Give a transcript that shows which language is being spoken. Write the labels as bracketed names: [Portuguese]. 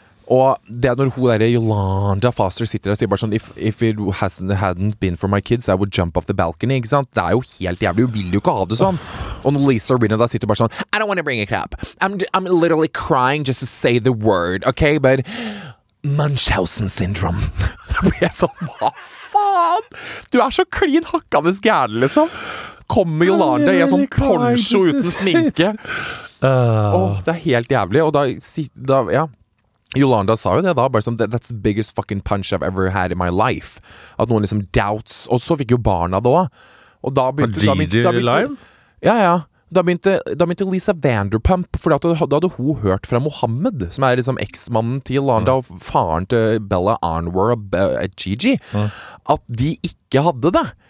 [Swedish] Och det när hon där Yolanda Foster sitter och säger bara sån [English] if it hadn't been for my kids I would jump off the balcony [Swedish] exakt det är ju helt jävligt du vill ju inte ha det sån och när Lisa Rinna där sitter bara sån [English] I don't want to bring it up I'm literally crying just to say the word [Swedish] okay but Munchausen syndrom. Det blir jag så vad fan? Du är så clean hackande gärd liksom. Kommer ju landa i en sån poncho utan sminke. Åh, det är helt jävligt och då ja. Yolanda sa ju det då bara som [English] that's the biggest fucking punch I've ever had in my life. [Swedish] Att någon liksom doubts och så fick ju barna då. Och då började jag inte då blir Ja ja. Da begynte Lisa Vanderpump för att då hade hon hört från Mohammed som är liksom exmannen till Yolanda och faren till Bella Arnwer och Gigi att de inte hade det.